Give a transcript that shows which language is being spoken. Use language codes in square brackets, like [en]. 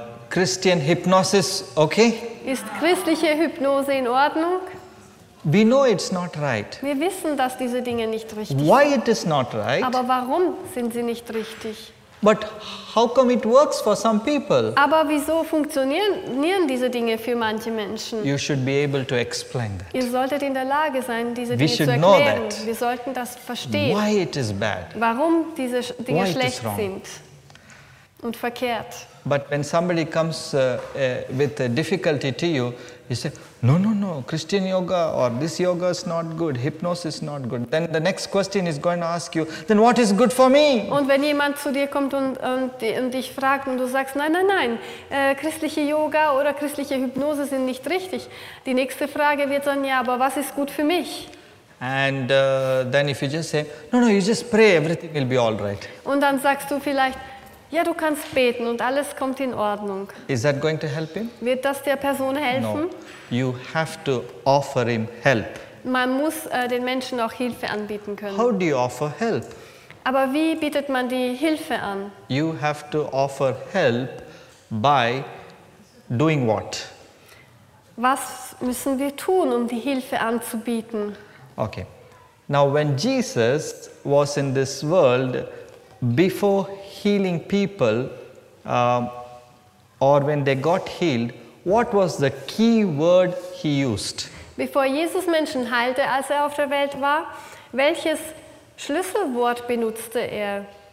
[en] Christian Hypnosis okay? [de] Ist christliche Hypnose in Ordnung? [en] We know it's not right. [de] Wir wissen, dass diese Dinge nicht richtig sind. [en] Why it is not right? [de] Aber warum sind sie nicht richtig? [en] But how come it works for some people? [de] Aber wieso funktionieren diese Dinge für manche Menschen? [en] You should be able to explain that. [de] Ihr solltet in der Lage sein, diese [en] We [de] Dinge zu erklären. [en] Know that. [de] Wir sollten das verstehen. [en] Why it is bad? [de] Warum diese Dinge schlecht sind und verkehrt. [en] But when somebody comes with a difficulty to you, you say, no, Christian yoga or this yoga is not good, hypnosis is not good. Then the next question is going to ask you, then what is good for me? [de] Und wenn jemand zu dir kommt und dich fragt und du sagst, nein, christliche Yoga oder christliche Hypnose sind nicht richtig. Die nächste Frage wird dann, ja, aber was ist gut für mich? [en] And then if you just say, no, you just pray, everything will be all right. [de] Und dann sagst du vielleicht, ja, du kannst beten und alles kommt in Ordnung. [en] Is that going to help him? [de] Wird das der Person helfen? [en] No. You have to offer him help. [de] Man muss den Menschen auch Hilfe anbieten können. [en] How do you offer help? [de] Aber wie bietet man die Hilfe an? [en] You have to offer help by doing what? [de] Was müssen wir tun, um die Hilfe anzubieten? [en] Okay. Now when Jesus was in this world, before healing people or when they got healed, what was the key word he used? [de] Bevor Jesus Menschen heilte, als er auf der Welt war, welches Schlüsselwort benutzte er?